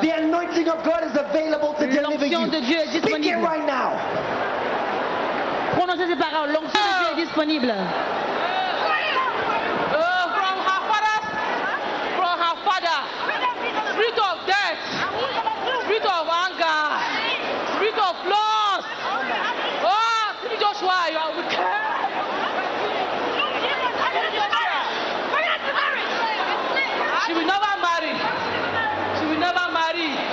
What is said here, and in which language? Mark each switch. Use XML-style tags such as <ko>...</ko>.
<en>The anointing of God is available to deliver you.</en> <fr>L'onction de Dieu est disponible.</fr> <en>Speak it right now.</en> <fr>Prononcez ces paroles, l'onction de Dieu est disponible.</fr> <en>From her father, from her father, spirit of death, spirit of anger, spirit of loss. Oh, see Joshua, you are wicked. She will never marry. She will never marry.</en>